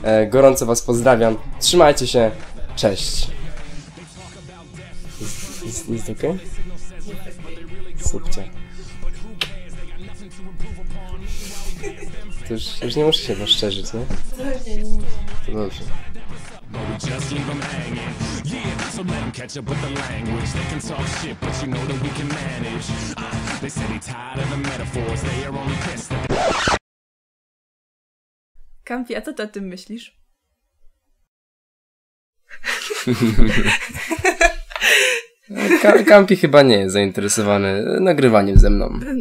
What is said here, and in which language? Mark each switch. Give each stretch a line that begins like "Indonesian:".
Polish: Gorąco was pozdrawiam. Trzymajcie się. Cześć. Is ok? Słupcie. To już nie muszę się was szczerzyć, nie? To dobrze.
English: But we just leave them hanging. Yeah, so let them catch up with the language. They can talk shit, but you know that we can manage. They said they're tired of the metaphors. They are only pissed at the...
Polish: Kampi, a co ty o tym myślisz? Kampi chyba nie jest zainteresowany nagrywaniem ze mną.